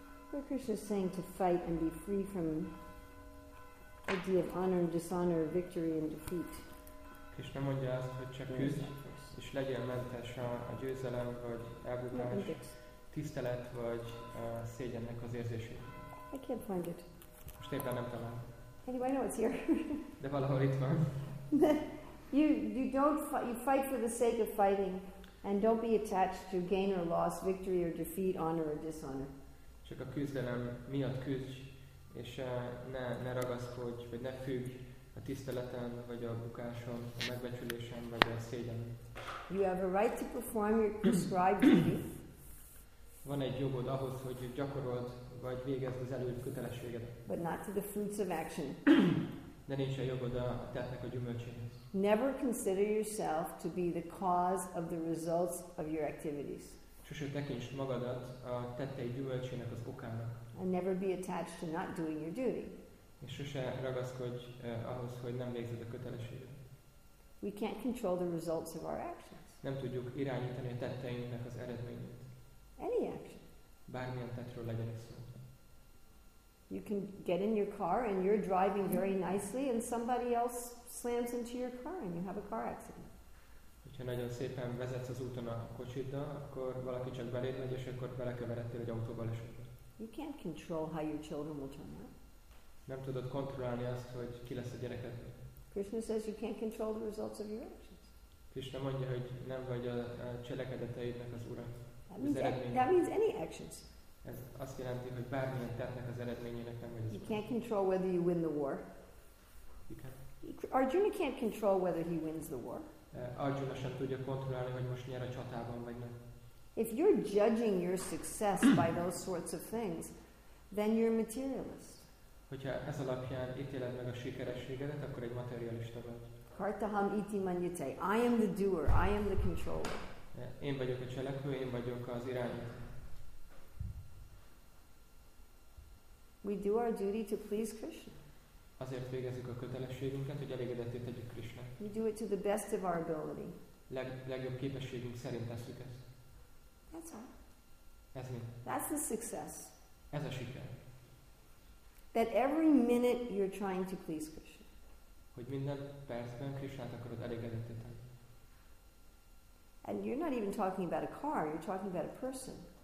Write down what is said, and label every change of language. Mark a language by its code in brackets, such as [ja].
[en] Where Krishna is saying to fight and be free from the idea of honor and dishonor, victory and defeat. [hu] Krishna mondja azt, hogy csak küzd, és legyen mentes a győzelem vagy elbukás, tisztelet vagy szégyennek az érzését. [en] I can't find it. [hu] Most éppen nem talál. [en] Anyway, I know it's here. [hu] De valahol itt van. [en] You fight for the sake of fighting, and don't be attached to gain or loss, victory or defeat, honor or dishonor. [hu] Csak a küzdelem miatt küzdj, és ne ragaszkodj, vagy ne függj a tiszteleten, vagy a bukáson, a megbecsülésen, vagy a szégyen. [en] You have a right to perform your prescribed duty. [hu] Van egy jogod ahhoz, hogy gyakorold, vagy végezd az előírt kötelességet. [en] But not to the fruits of action. [hu] De nincs a jogod a tettnek a gyümölcséhez. [en] Never consider yourself to be the cause of the results of your activities. [hu] Sose tekintsd magadat a tettei gyümölcsének az okának. [en] And never be attached to not doing your duty. [hu] És sose ragaszkodj ahhoz, hogy nem végzed a kötelességet. [en] We can't control the results of our actions. [hu] Nem tudjuk irányítani a tetteinknek az eredményét. [en] Any action. [hu] Bármilyen tettről legyen szó. [en] You can get in your car and you're driving very nicely and somebody else slams into your car and you have a car accident. [hu] Ha nagyon szépen vezetsz az úton a kocsiddal, akkor valaki csak beléd megy, és akkor belekeveredtél egy autóval esetben. [en] You can't control how your children will turn out. [hu] Nem tudod kontrollálni azt, hogy ki lesz a gyereked. [en] Krishna says you can't control the results of your actions. [hu] Krishna mondja, hogy nem vagy a cselekedeteidnek az ura. [en] That means any actions. [hu] Ez azt jelenti, hogy bármilyen tettnek az eredményének nem vagy az ura. [en] You can't control whether you win the war. You can't. Arjuna can't control whether he wins the war. [hu] Arjuna sem tudja kontrollálni, hogy most nyer a csatában vagy nem. [en] If you're judging your success by those sorts of things, then you're materialist. [hu] Hogyha ez alapján ítéled meg a sikerességedet, akkor egy materialista vagy. [sa] Kartaham iti manyate. [en] I am the doer, I am the controller. [hu] Én vagyok a cselekvő, én vagyok az irányító. [en] We do our duty to please Krishna. [hu] Azért végezzük a kötelességünket, hogy elégedetté tegyük Krishna. [en] We do it to the best of our ability. [hu] Legjobb képességünk szerint tesszük ezt. [en] That's all. [hu] Ez mi? [en] That's the success. [hu] Ez a siker. [en] That every minute you're trying to please Krishna. [hu] Hogy minden percben Krishnát akarod elégedetté tenni. [en] And you're not even talking about a car, you're talking about a person.